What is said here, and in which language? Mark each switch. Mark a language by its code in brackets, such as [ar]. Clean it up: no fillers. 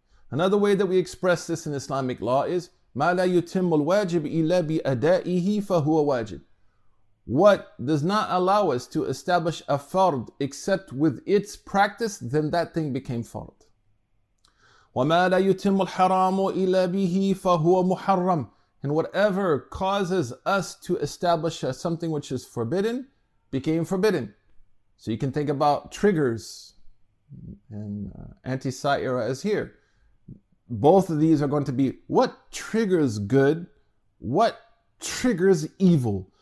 [en] Another way that we express this in Islamic law is [ar] ما لا يتم الواجب إلا بأدائه فهو واجب. [en] What does not allow us to establish a fard except with its practice, then that thing became fard. [ar] وما لا يتم الحرام إلا به فهو محرم. [en] And whatever causes us to establish something which is forbidden, became forbidden. So you can think about triggers, and anti-sa'ira is here. Both of these are going to be, what triggers good? What triggers evil?